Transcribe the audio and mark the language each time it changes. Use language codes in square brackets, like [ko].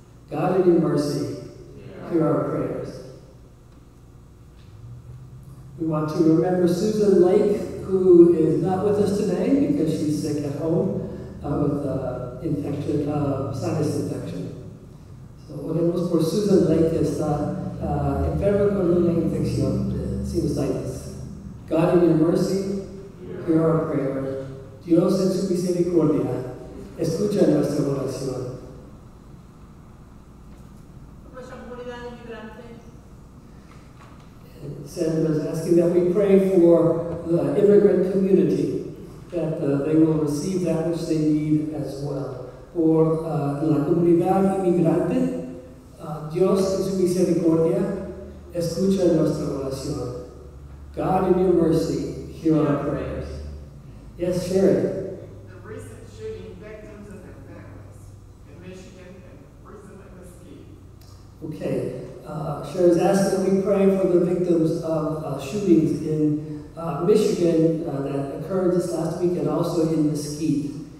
[en] God, in your mercy, hear our prayers. We want to remember Susan Lake, who is not with us today because she's sick at home with sinus infection. [es] Oremos por Susan Lake, que está enferma con una infección de sinusitis. [en] God, in your mercy, hear our prayer. [es] Dios, en su misericordia, escucha nuestra oración. [en] Sandra is asking that we pray for the immigrant community, that they will receive that which they need as well. [es] Por la comunidad inmigrante, Dios en su misericordia, escucha nuestra oración. [en] God in your mercy, hear our prayers. Yes, Sharon. The recent shooting victims and their families in Michigan and recently Mesquite. Okay, Sharon's asked that we pray for the victims of shootings in Michigan that occurred this last week and also in Mesquite.